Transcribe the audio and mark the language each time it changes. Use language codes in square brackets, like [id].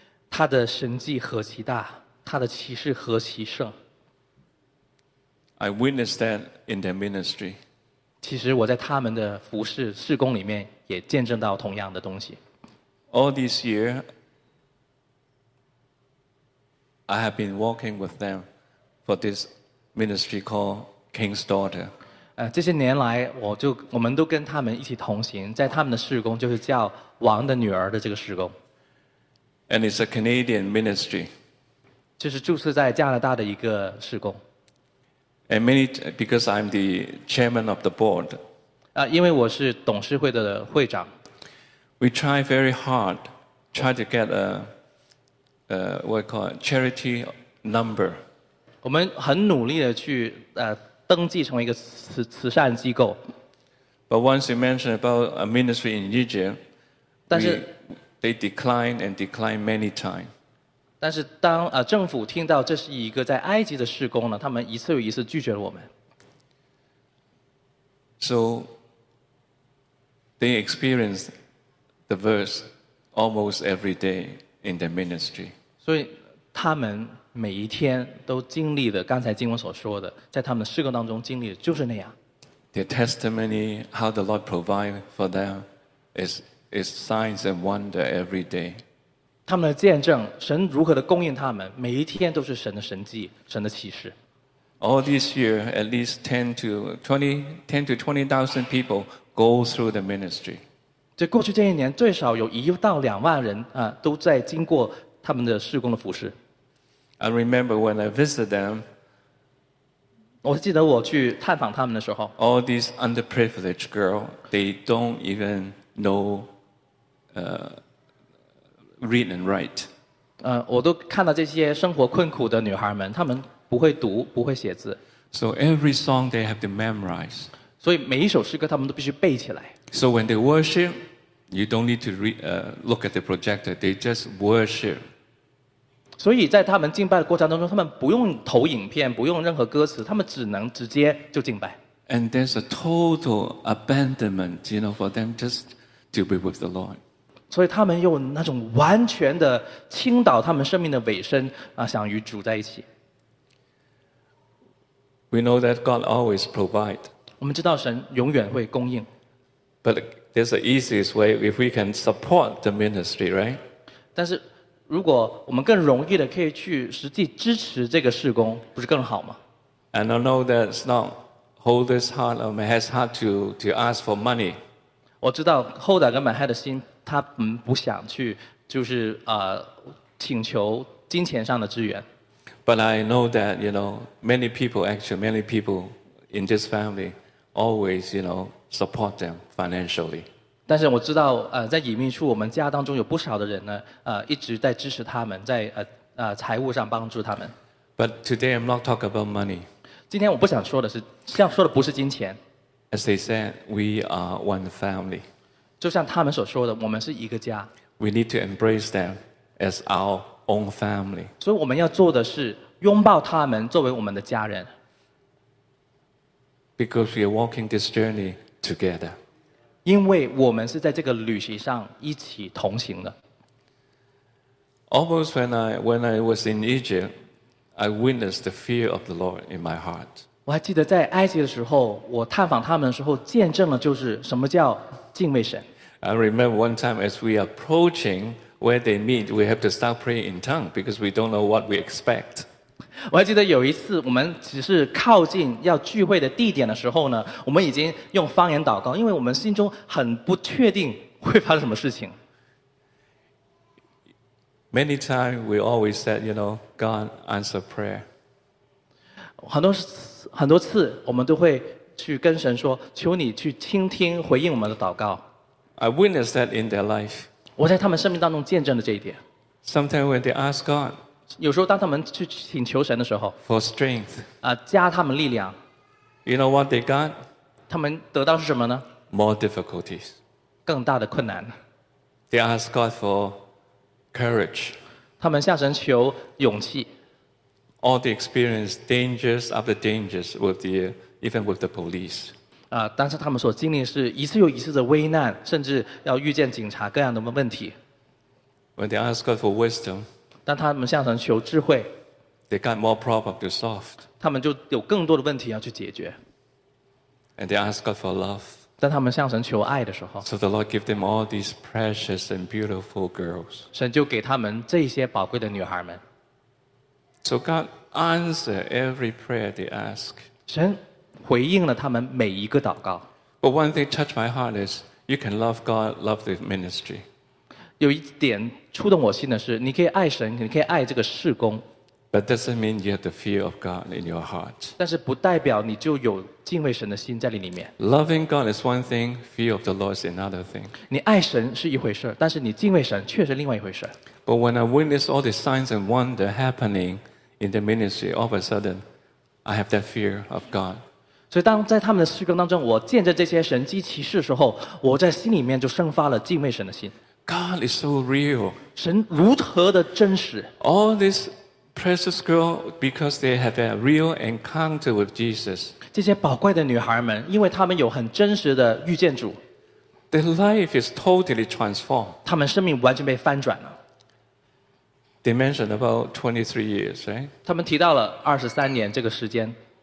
[zh] 他的神迹何其大，他的骑士何其盛。 [en] I witnessed that in their ministry. [zh] 其实我在他们的服事事工里面也见证到同样的东西。 [en] All this year, I have been walking with them for this ministry called King's Daughter. [zh] 这些年来我们都跟他们一起同行，在他们的事工就是叫王的女儿的这个事工。 [en] And it's a Canadian ministry. [zh] 就是注册在加拿大的一个事工。 [en] And many because I'm the chairman of the board. [zh] 因为我是董事会的会长。 [en] We try very hard, try to get a what we call a charity number. [zh] 我们很努力的去登记成为一个慈善机构。 [en] But once you mention about a ministry in Egypt, [zh] 但是 [en] they declined and declined many times. [zh] 但是当政府听到这是一个在埃及的事工呢，他们一次又一次拒绝了我们。 [en] So they experience the verse almost every day in their ministry. [zh] 所以他们每一天都经历了刚才经文所说的，在他们的事工当中经历的就是那样。 [en] Their testimony, how the Lord provides for them, is signs and wonder every day. [zh] 他们的见证，神如何的供应他们，每一天都是神的神迹，神的启示。 [en] All this year, at least 10 to 20,000 people go through the ministry. [zh] 这过去这一年，最少有1到2万人啊，都在经过他们的事工的服事。 [en] I remember when I visited them. [zh] 我记得我去探访他们的时候。 [en] All these underprivileged girls, they don't even know, read and write. [zh] 我都看到这些生活困苦的女孩们，她们不会读，不会写字。 [en] So every song they have to memorize. [zh] 所以每一首诗歌她们都必须背起来。 [en] So when they worship, you don't need to look at the projector. They just worship. [zh] 所以在他们敬拜的过程当中，他们不用投影片，不用任何歌词，他们只能直接就敬拜。 [en] And there's a total abandonment, you know, for them just to be with the Lord. [zh] 所以他们用那种完全的倾倒他们生命的尾声啊，想与主在一起。 [en] We know that God always provide. [zh] 我们知道神永远会供应。 [en] But there's the easiest way if we can support the ministry, right? [zh] 但是如果我们更容易的可以去实际支持这个事工，不是更好吗 [en] ？And I know that it's not Holder's heart or Mahat's heart to ask for money. [zh] 我知道 Holder 跟 Mahat 的心，他不想去就是请求金钱上的支援。 [en] But I know that you know many people in this family always you know support them financially. [zh] 但是我知道在隐秘处我们家当中有不少的人呢一直在支持他们在财务上帮助他们。 [en] But today I'm not talking about money. [zh] 今天我不想说的是像说的不是金钱。 [en] As they said, we are one family. [zh] 就像他们所说的我们是一个家。 [en] We need to embrace them as our own family. [zh] 所以我们要做的是拥抱他们作为我们的家人。 [en] Because we are walking this journey together. [zh] 因为我们是在这个旅行上一起同行的。 [en] Almost when I was in Egypt, I witnessed the fear of the Lord in my heart. [zh] 我还记得在埃及的时候，我探访他们的时候，见证了就是什么叫敬畏神。 [en] I remember one time as we approaching where they meet, we have to start praying in tongue because we don't know what we expect. [zh] 我还记得有一次我们只是靠近要聚会的地点的时候呢我们已经用方言祷告因为我们心中很不确定会发生什么事情 [en] Many times we always said you know God answer prayer [zh] 很多次我们都会去跟神说求你去倾听回应我们的祷告 [en] I witnessed that in their life [zh] 我在他们生命当中见证了这一点 [en] Sometimes when they ask God [zh] 有时候当他们去请求神的时候 [en] For strength [zh] 加他们力量 [en] You know what they got? [zh] 他们得到是什么呢 [en] More difficulties [zh] 更大的困难 [en] They ask God for courage [zh] 他们向神求勇气 [en] All they experience dangers after dangers with the, even with the police [zh] 但是他们所经历是一次又一次的危难甚至要遇见警察各样的问题 [en] When they ask God for wisdom [zh] 当他们向神求智慧 [en] they got more problems to solve. [zh] 他们就有更多的问题要去解决 [en] And they ask God for love. [zh] 当他们向神求爱的时候 [en] So the Lord gave them all these precious and beautiful girls. [zh] 神就给他们这些宝贵的女孩们 [en] So God answered every prayer they ask. [zh] 神回应了他们每一个祷告 [en] But one thing touched my heart is you can love God, love the ministry. [zh] 有一点触动我心的是你可以爱神你可以爱这个事工 [en] But doesn't mean you have the fear of God in your heart [zh] 但是不代表你就有敬畏神的心在里面 [en] Loving God is one thing fear of the Lord is another thing [zh] 你爱神是一回事但是你敬畏神却是另外一回事 [en] But when I witness all the signs and wonder happening in the ministry, all of a sudden, I have that fear of God. [zh] 所以当在他们的事工当中，我见着这些神迹奇事的时候，我在心里面就生发了敬畏神的心。 [en] God is so real. [zh] 神如何的真实。 [en] All these precious girls, because they have a real encounter with Jesus. [zh] 这些宝贵的女孩们，因为她们有很真实的遇见主。 [en] Their life is totally transformed. [zh] 她们生命完全被翻转了。 [en] They mentioned about 23 years, right? [zh] 他们提到了23年这个时间。